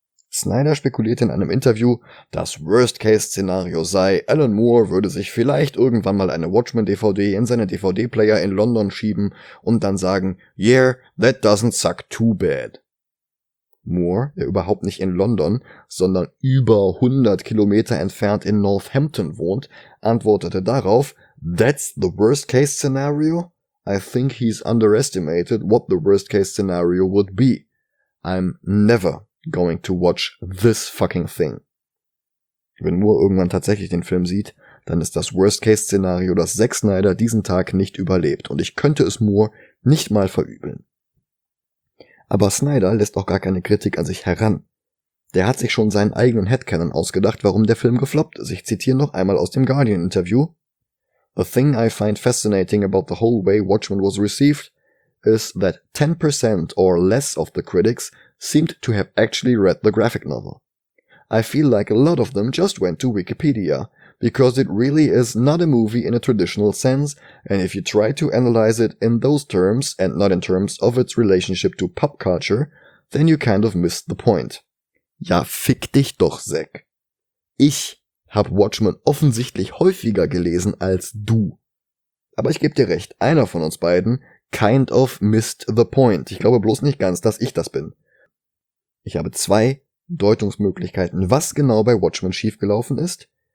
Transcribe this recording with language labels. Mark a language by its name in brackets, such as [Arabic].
[German] Snyder spekulierte in einem Interview, das Worst-Case-Szenario sei, Alan Moore würde sich vielleicht irgendwann mal eine Watchmen-DVD in seine DVD-Player in London schieben und dann sagen, [English] yeah, that doesn't suck too bad. [German] Moore, der überhaupt nicht in London, sondern über 100 Kilometer entfernt in Northampton wohnt, antwortete darauf, [English] that's the Worst-Case-Scenario? I think he's underestimated what the Worst-Case-Scenario would be. I'm never going to watch this fucking thing. [German] Wenn Moore irgendwann tatsächlich den Film sieht, dann ist das Worst-Case-Szenario, dass Zack Snyder diesen Tag nicht überlebt und ich könnte es Moore nicht mal verübeln. Aber Snyder lässt auch gar keine Kritik an sich heran. Der hat sich schon seinen eigenen Headcanon ausgedacht, warum der Film gefloppt ist. Ich zitiere noch einmal aus dem Guardian-Interview. [English] The thing I find fascinating about the whole way Watchmen was received is that 10% or less of the critics seemed to have actually read the graphic novel. I feel like a lot of them just went to Wikipedia, because it really is not a movie in a traditional sense, and if you try to analyze it in those terms, and not in terms of its relationship to pop culture, then you kind of missed the point. [German] Ja, fick dich doch, Zack. Ich hab Watchmen offensichtlich häufiger gelesen als du. Aber ich geb dir recht, einer von uns beiden [English] kind of missed the point. [German] Ich glaube bloß nicht ganz, dass ich das bin. Ich habe zwei Deutungsmöglichkeiten, was genau bei Watchmen schiefgelaufen ist.